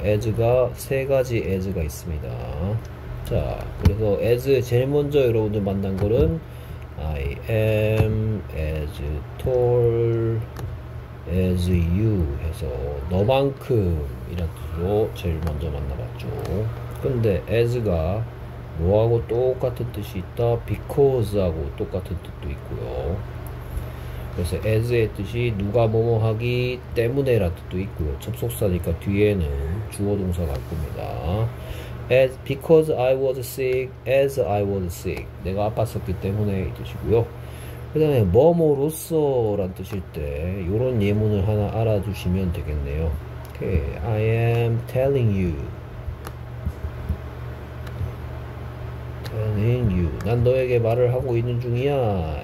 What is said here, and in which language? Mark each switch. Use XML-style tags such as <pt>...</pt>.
<ko>as가 세 가지 as가 있습니다. 자, 그래서 as 제일 먼저 여러분들 만난 거는</ko> <en>I am as tall as you</en> <ko>해서 너만큼이란 뜻으로 제일 먼저 만나봤죠. 근데 as가 뭐하고 똑같은 뜻이 있다? because하고 똑같은 뜻도 있고요. 그래서 as의 뜻이 누가 뭐뭐 하기 때문에라는 뜻도 있고요. 접속사니까 뒤에는 주어 동사가 갈 겁니다.</ko> <en>As, because I was sick, as I was sick.</en> <ko>내가 아팠었기 때문에 이 뜻이고요. 그 다음에 뭐뭐로서란 뜻일 때 이런 예문을 하나 알아두시면 되겠네요.</ko> <en>Okay, I am telling you. Telling you.</en> <ko>난 너에게 말을 하고 있는 중이야.</ko>